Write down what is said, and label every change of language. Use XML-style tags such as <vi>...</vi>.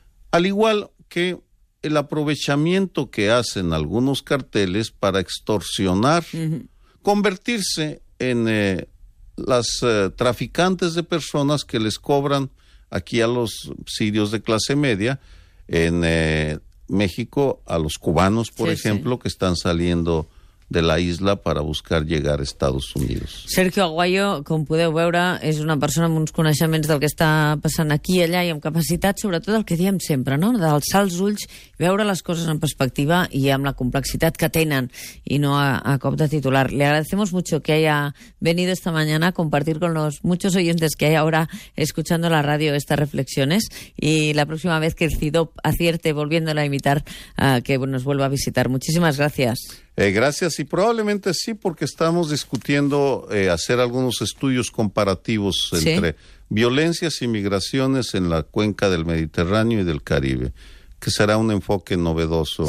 <es>Al igual que el aprovechamiento que hacen algunos carteles para extorsionar, convertirse en traficantes de personas que les cobran aquí a los sirios de clase media, en México a los cubanos, por ejemplo, que están saliendo de la isla para buscar llegar a Estados Unidos.</es> <ca>Sergio Aguayo, com podeu veure, és una persona amb uns coneixements del que està passant aquí i allà i amb capacitat, sobretot el que diem sempre, no? D'alçar els ulls, veure les coses en perspectiva i amb la complexitat que tenen i no a cop de titular.</ca> <es>Le agradecemos mucho que haya venido esta mañana a compartir con los muchos oyentes que hay ahora escuchando la radio estas reflexiones, y la próxima vez que el CIDOP acierte volviéndola a invitar, que nos vuelva a visitar. Muchísimas gracias. Gracias, y probablemente sí, porque estamos discutiendo hacer algunos estudios comparativos entre violencias y migraciones en la cuenca del Mediterráneo y del Caribe, que serà un enfoque novedoso.</es>